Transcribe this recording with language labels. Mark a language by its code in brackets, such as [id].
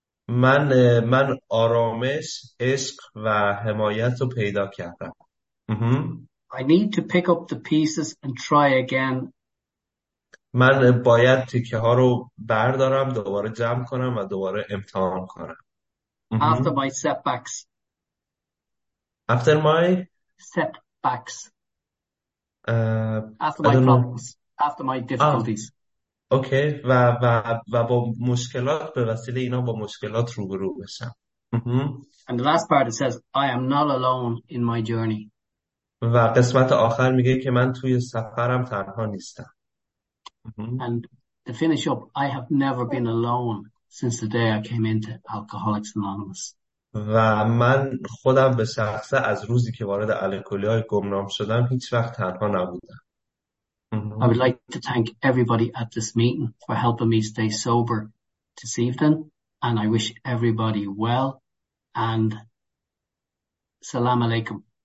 [fa] من آرامش، عشق و حمایت رو پیدا کردم. [en] I need to pick up the pieces and try again. [fa] من باید تکه ها رو بردارم، دوباره جمع کنم و دوباره امتحان کنم. [en] After my setbacks. After my setbacks. After my problems. After my difficulties. Okay. [fa] و و و با مشکلات، به وسیله اینا با مشکلات روبرو بشم. [en] And the last part it says, I am not alone in my journey. [fa] و قسمت آخر میگه که من توی سفرم تنها نیستم. [en] And to finish up, I have never been alone since the day I came into Alcoholics Anonymous. [fa] و من خودم به شخصه از روزی که وارد الکلی‌های گمنام شدم هیچ وقت تنها نبودم. [en] I would like to thank everybody at this meeting for helping me stay sober this evening, and I wish everybody well and salam alaikum.